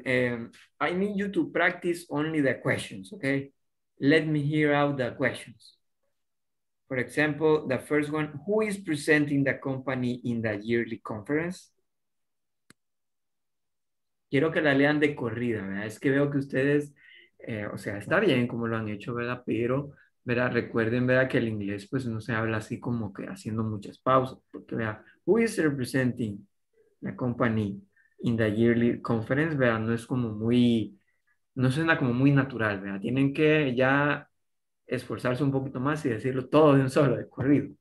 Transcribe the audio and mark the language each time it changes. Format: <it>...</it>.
<en>I need you to practice only the questions, okay? Let me hear out the questions. For example, the first one, who is presenting the company in the yearly conference?</en> <es>Quiero que la lean de corrida, ¿verdad? Es que veo que ustedes, o sea, está bien como lo han hecho, ¿verdad? Pero, ¿verdad? Recuerden, ¿verdad? Que el inglés, pues, no se habla así como que haciendo muchas pausas. Porque, ¿verdad?</es> <en>Who is representing the company in the yearly conference?</en> <es>¿Verdad? No es como muy, no suena como muy natural, ¿verdad? Tienen que ya esforzarse un poquito más y decirlo todo de un solo, de corrido.</es>